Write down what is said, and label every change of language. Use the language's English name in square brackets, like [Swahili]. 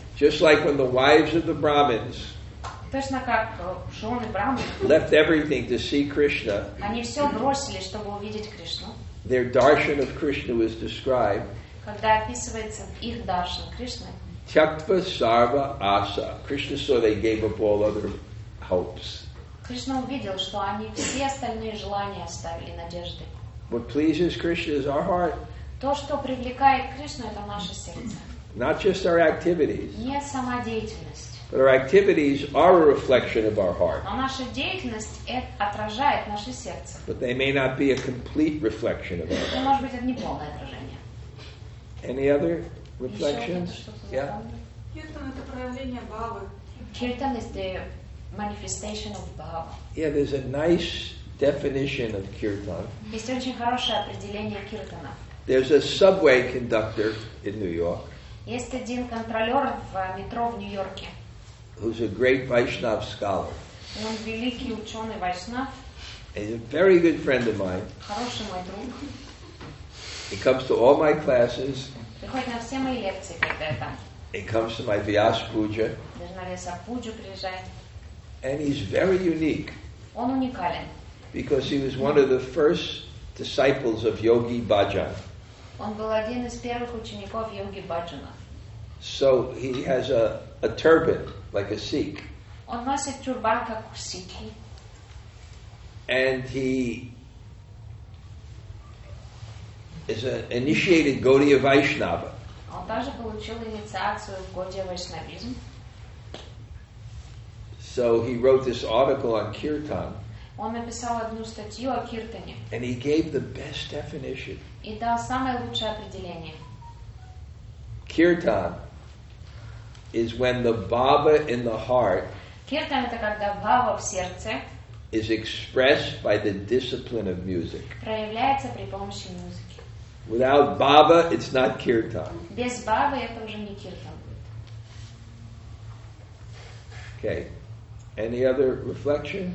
[English] Just like when the wives of the Brahmins [Russian] точно как жены Брахмин [English] left everything to see Krishna. [Russian] Они все бросили, чтобы увидеть Кришну. [English] Their darshan of Krishna was described. [Russian] Когда описывается их даршан Кришны. [Sanskrit] Тяктва сарва аса. [English] Krishna saw they gave up all other hopes. [Russian] Кришна увидел, что они все остальные желания оставили, надежды. [English] What pleases Krishna is our heart. [Russian] То, что привлекает Кришну, это наше сердце. [English] Not just our activities. [Russian] Не сама деятельность. [English] But our activities are a reflection of our heart. [Russian] Но наша деятельность отражает наше сердце. [English] But they may not be a complete reflection of our heart. [Russian] Но, может быть, это не полное отражение. [English] Any other reflections? [Russian] Киртан — это проявление бхавы. [English] Киртан is the manifestation of bhava. Yeah, there's a nice definition of kirtan. [Russian] Есть очень хорошее определение киртана. [English] There's a subway conductor in New York. [Russian] Есть один контролер в метро в Нью-Йорке. [English] Who's a great Vaishnav scholar. [Russian] Он великий ученый Вайшнав. [English] He's a very good friend of mine. [Russian] Хороший мой друг. [English] He comes to all my classes. [Russian] Приходит на все мои лекции, когда я там. [English] He comes to my Vyas Puja. [Russian] Даже на Веса Пуджу приезжает. [English] And he's very unique. [Russian] Он уникален. [English] Because he was one of the first disciples of Yogi Bhajan. [Russian] Он был один из первых учеников Йоги Баджана. [English] So he has a turban like a Sikh. [Russian] Он носит тюрбан как сикхи. [English] And he is an initiated Gaudiya Vaishnava. [Russian] Он также получил инициацию в Гаудия Вайшнавизм. [English] So he wrote this article on kirtan. [Russian] Он написал одну статью о киртане. [English] And he gave the best definition. [Russian] И дал самое лучшее определение. [English] Kirtan is when the bhava in the heart. [Russian] Киртан — это когда бхава в сердце. [English] Is expressed by the discipline of music. [Russian] Проявляется при помощи музыки. [English] Without bhava, it's not kirtan. [Russian] Без бхавы это уже не киртан будет. [English] Okay. Any other reflection?